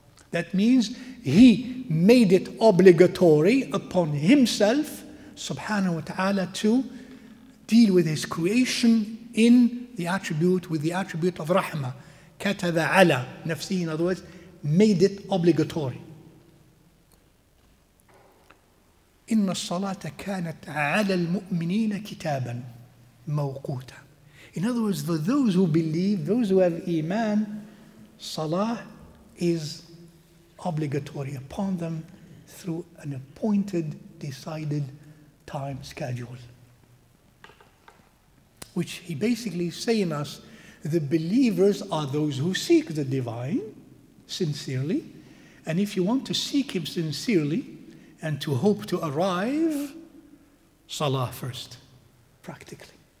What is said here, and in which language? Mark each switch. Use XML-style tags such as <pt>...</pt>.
<en>That means he made it obligatory upon himself, subhanahu wa ta'ala, to deal with his creation in the attribute, with the attribute of rahma.</en> <ar>Kataba ala nafsihi,</ar> <en>in other words, made it obligatory.</en> <ar>إن الصلاة كانت على المؤمنين كتابا موقوتا.</ar> <en>In other words, for those who believe, those who have iman, salah is obligatory upon them through an appointed, decided time schedule. Which he basically saying us, the believers are those who seek the divine sincerely, and if you want to seek him sincerely and to hope to arrive, salah first, practically.</en>